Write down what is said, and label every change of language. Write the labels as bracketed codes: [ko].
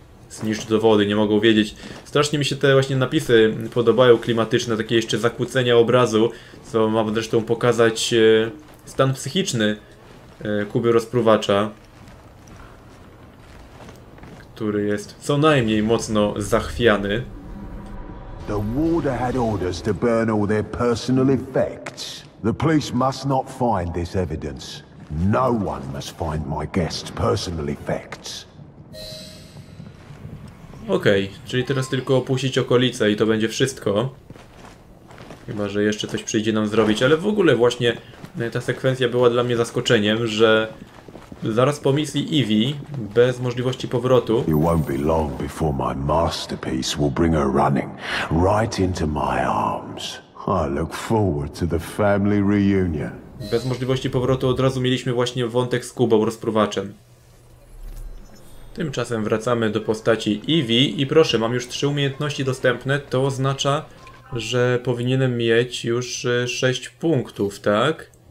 [pl] Zniszcz dowody, nie mogą wiedzieć. Strasznie mi się te właśnie napisy podobają, klimatyczne, takie jeszcze zakłócenia obrazu, co ma zresztą pokazać stan psychiczny Kuby Rozpruwacza, który jest co najmniej mocno zachwiany. [en] The Warder had orders to burn all their personal effects. The police must not find this evidence. No one must find my guest's personal effects. [pl] Okej, czyli teraz tylko opuścić okolice i to będzie wszystko. Chyba, że jeszcze coś przyjdzie nam zrobić, ale w ogóle właśnie ta sekwencja była dla mnie zaskoczeniem, że zaraz po misji Eevee, bez możliwości powrotu... [en] It won't be long before my masterpiece will bring her running right into my arms. I look forward to the family reunion. [pl] Bez możliwości powrotu od razu mieliśmy właśnie wątek z Kubą Rozpruwaczem. Tymczasem wracamy do postaci Eevee i proszę, mam już 3 umiejętności dostępne. To oznacza, że powinienem mieć już 6 punktów, tak?